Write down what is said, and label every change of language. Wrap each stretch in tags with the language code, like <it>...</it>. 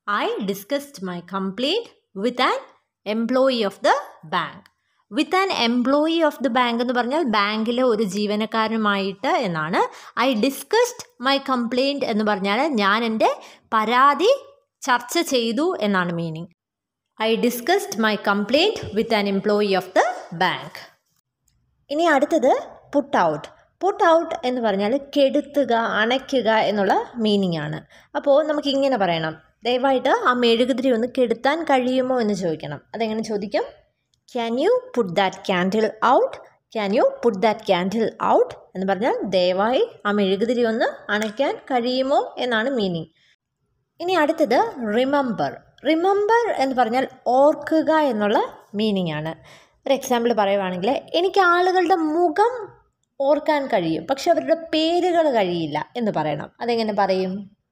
<en>I discussed my complaint with an employee of the bank. With an employee of the bank</en> <ml>എന്ന് പറഞ്ഞാൽ ബാങ്കിലെ ഒരു ജീവനക്കാരനുമായിട്ട് എന്നാണ്.</ml> <en>I discussed my complaint</en> <ml>എന്ന് പറഞ്ഞാൽ ഞാൻ എൻ്റെ പരാതി ചർച്ച ചെയ്തു എന്നാണ് meaning.</ml> <en>I discussed my complaint with an employee of the bank.</en> <ml>ഇനി അടുത്തത് പുട്ട് ഔട്ട്. പുട്ട് ഔട്ട് എന്ന് പറഞ്ഞാൽ കെടുത്തുക, അണയ്ക്കുക എന്നുള്ള മീനിങ് ആണ്. അപ്പോൾ നമുക്ക് ഇങ്ങനെ പറയണം, ദയവായിട്ട് ആ മെഴുകുതിരി ഒന്ന് കെടുത്താൻ കഴിയുമോ എന്ന് ചോദിക്കണം. അതെങ്ങനെ ചോദിക്കും?</ml> <en>Can you put that candle out? Can you put that candle out?</en> <ml>എന്ന് പറഞ്ഞാൽ ദയവായി ആ മെഴുകുതിരി ഒന്ന് അണയ്ക്കാൻ കഴിയുമോ എന്നാണ് മീനിങ്. ഇനി അടുത്തത് റിമെമ്പർ. റിമെമ്പർ എന്ന് പറഞ്ഞാൽ ഓർക്കുക എന്നുള്ള മീനിങ് ആണ്. ഒരു എക്സാമ്പിൾ പറയുവാണെങ്കിൽ, എനിക്ക് ആളുകളുടെ മുഖം ഓർക്കാൻ കഴിയും, പക്ഷെ അവരുടെ പേരുകൾ കഴിയില്ല എന്ന് പറയണം. അതെങ്ങനെ പറയും?</ml>